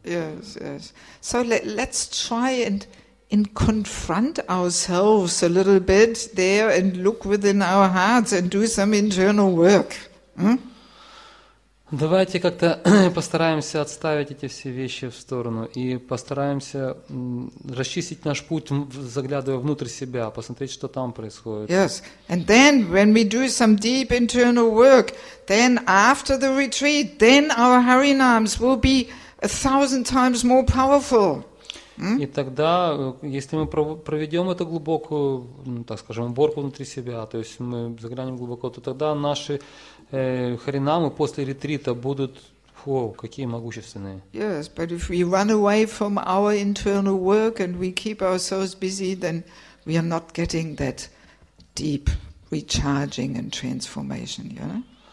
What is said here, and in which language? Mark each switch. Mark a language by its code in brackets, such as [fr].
[en] Yes, yes. So let's try and confront ourselves a little bit there and look within our hearts and do some internal work. [ru] Давайте как-то постараемся отставить эти все вещи в сторону и постараемся расчистить наш путь, заглядывая внутрь себя, посмотреть, что там происходит. [en] Yes, and then when we do some deep internal work, then after the retreat, then our harinams will be 1,000 times more powerful. [ru] И тогда, если мы проведем эту глубокую, так скажем, уборку внутри себя, то есть мы заглянем глубоко, то тогда наши харинамы после ретрита будут, фу, какие могущественные. [en] Yes, but if we run away from our internal work and we keep ourselves busy, then we are not getting that deep recharging and transformation, you know?